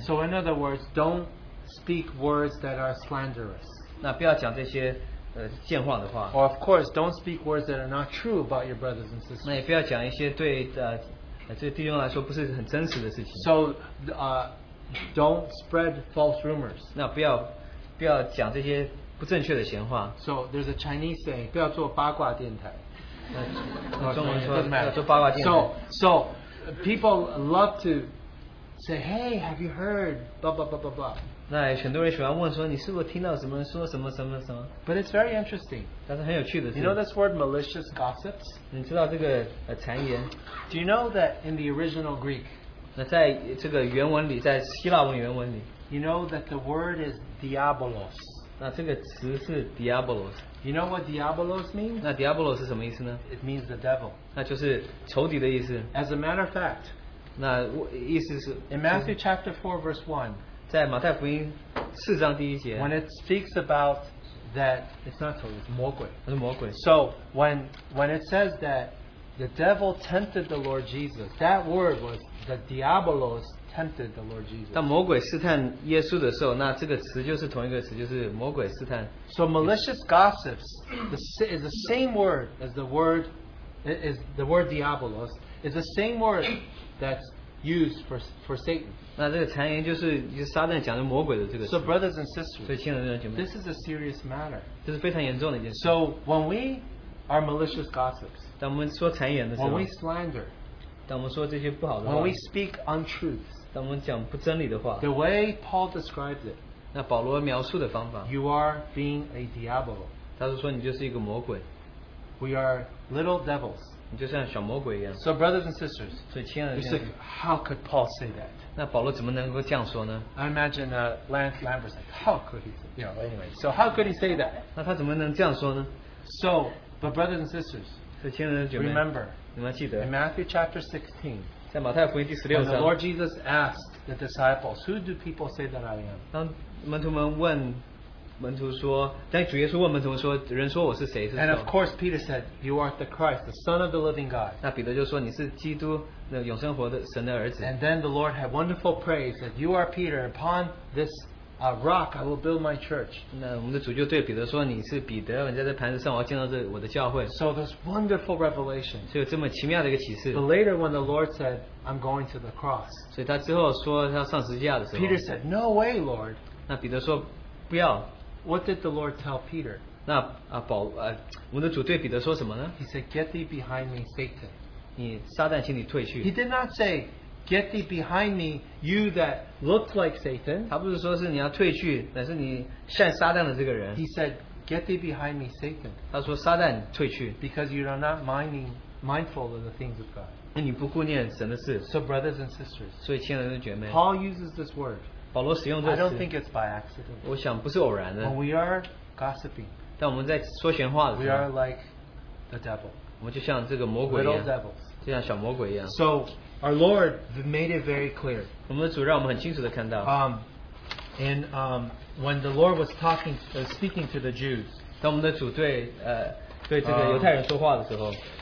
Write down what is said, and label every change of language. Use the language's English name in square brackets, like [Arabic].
[English] So in other words, don't speak words that are slanderous. [Chinese] 那不要讲这些, 建化的话, [English] or of course, don't speak words that are not true about your brothers and sisters. [Chinese] 那也不要讲一些对, 这个弟兄来说不是很真实的事情。 [English] So, don't spread false rumors. [Chinese] 那不要讲这些不正确的闲话。 [English] So, there's a Chinese saying, [Chinese] 不要做八卦电台。中文说,不要做八卦电台。 [English] So, people love to say, hey, have you heard, blah, blah, blah, blah, blah. [Chinese] 那很多人喜欢问说,你是不是听到什么人说什么什么什么? [English] But it's very interesting. [Chinese] 但是很有趣的是, [English] you know this word malicious gossips? [Chinese] 你知道这个谗言? [English] Do you know that in the original Greek, [Chinese] 那在这个原文里,在希腊文原文里, [English] you know that the word is diabolos. [Chinese] 那这个词是diabolos. [English] You know what diabolos means? [Chinese] 那diabolos是什么意思呢? [English] It means the devil. [Chinese] 那就是仇敌的意思。 [English] As a matter of fact, [Chinese] 那意思是, [English] in Matthew chapter 4 verse 1, [Chinese] 在马太福音四章第一节, [English] when it speaks about that, it's not totally, it's 魔鬼, [Chinese] 是魔鬼, [English] so when it says that the devil tempted the Lord Jesus, that word was the diabolos tempted the Lord Jesus. [Chinese] 当魔鬼试探耶稣的时候, 那这个词就是同一个词, 就是魔鬼试探, [English] so malicious gossips is the same word as the word is the word diabolos is the same word that's used for Satan. [Chinese] 那这个谗言就是撒旦讲的魔鬼的这个词。 [English] So brothers and sisters, [Chinese] 所以亲爱的弟兄姐妹, [English] this is a serious matter. [Chinese] 这是非常严重的一件事。 [English] So when we are malicious gossips, [Chinese] 当我们说谗言的时候, [English] when we slander, [Chinese] 当我们说这些不好的话, [English] when we speak untruths, [Chinese] 当我们讲不真理的话, [English] the way Paul describes it, [Chinese] 那保罗描述的方法, [English] you are being a diabolo. [Chinese] 他是说你就是一个魔鬼。 [English] We are little devils. So brothers and sisters, [Chinese] 所以亲爱的弟兄, [English] you say, how could Paul say that? [Chinese] 那保罗怎么能够这样说呢? [English] I imagine Lance Lambert's like, how could he say, you know, anyway, so how could he say that? [Chinese] 那他怎么能这样说呢? [English] So, but brothers and sisters, [Chinese] 所以亲爱的弟兄, [English] remember, [Chinese] 你们记得, [English] in Matthew chapter 16, [Chinese] 在马太福音第十六章 [English] ，When the Lord Jesus asked the disciples, "Who do people say that I am?" [Chinese] 当门徒们问门徒说，当主耶稣问门徒们说，人说我是谁？是说 [English] ，And of course, Peter said, "You are the Christ, the Son of the Living God." [Chinese] 那彼得就说你是基督，那永生活的神的儿子。 [English] And then the Lord had wonderful praise that you are Peter upon this. A rock, I will build my church. [Chinese] 那我们的主就对彼得说：“你是彼得，你在这磐石上，我要建造这我的教会。” [English] So this wonderful revelation. [Chinese] 所以这么奇妙的一个启示。 [English] But later, when the Lord said, "I'm going to the cross," [Chinese] 所以他之后说他上十字架的时候 [English] ，Peter said, "No way, Lord." [Chinese] 那彼得说：“不要。” [English] What did the Lord tell Peter? [Chinese] 那啊保啊，我们的主对彼得说什么呢 [English] ？He said, "Get thee behind me, Satan." [Chinese] 你撒旦，请你退去。 [English] He did not say. Get thee behind me, you that look like Satan. [Chinese] 他不是说是你要退去，乃是你像撒旦的这个人。 [English] He said, "Get thee behind me, Satan." [Chinese] 他说撒旦退去。 [English] Because you are not mindful of the things of God. [Chinese] 那你不顾念神的事。 [English] So brothers and sisters. [Chinese] 所以亲爱的姐妹。 [English] Paul uses this word. [Chinese] 保罗使用这个词。 [English] I don't think it's by accident. [Chinese] 我想不是偶然的。 [English] When we are gossiping. [Chinese] 但我们在说闲话的时候。 [English] We are like the devil. [Chinese] 我们就像这个魔鬼一样。 [English] Little devils. [Chinese] 就像小魔鬼一样。 [English] So. Our Lord made it very clear. [Chinese] 我们的主让我们很清楚地看到。 [English] When the Lord was speaking to the Jews, [Chinese] 当我们的主对对这个犹太人说话的时候，